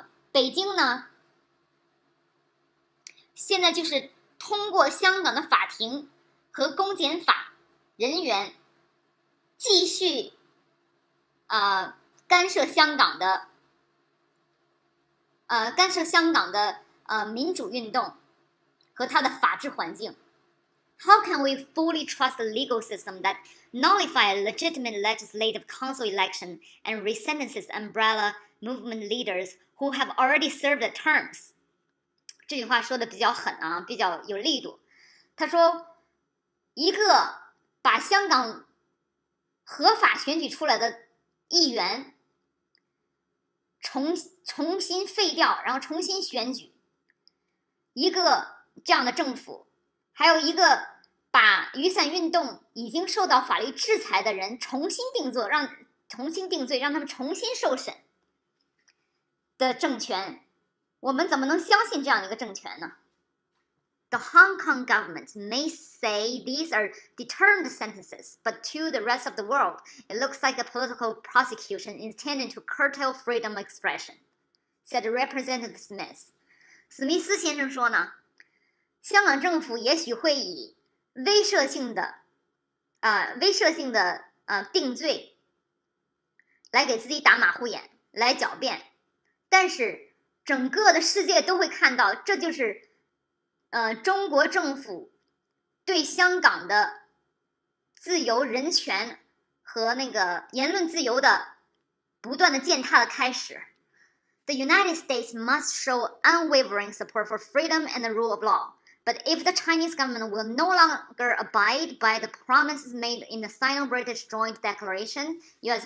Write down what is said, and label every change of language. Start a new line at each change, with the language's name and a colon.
Chinese: 北京呢，现在就是通过香港的法庭和公检法人员继续干涉香港的民主运动和它的法治环境。
English: How can we fully trust the legal system that nullifies legitimate legislative council election and resentences umbrella movement leaders who have already served the terms?
Chinese: 这句话说的比较狠啊，比较有力度。他说，一个把香港合法选举出来的议员重新废掉，然后重新选举，一个这样的政府，还有一个把雨伞运动已经受到法律制裁的人重新定罪，让他们重新受审的政权，我们怎么能相信这样一个政权呢？
English: The Hong Kong government may say these are deterrent sentences, but to the rest of the world, it looks like a political prosecution intended to curtail freedom of expression, said Representative Smith.
Chinese: 史密斯先生说呢，香港政府也许会以威慑性的定罪来给自己打马虎眼，来狡辩，但是整个的世界都会看到，这就是中国政府对香港的自由、人权和那个言论自由的不断的践踏的开始。
English: The United States must show unwavering support for freedom and the rule of law. But if the Chinese government will no longer abide by the promises made in the Sino-British Joint Declaration, U.S.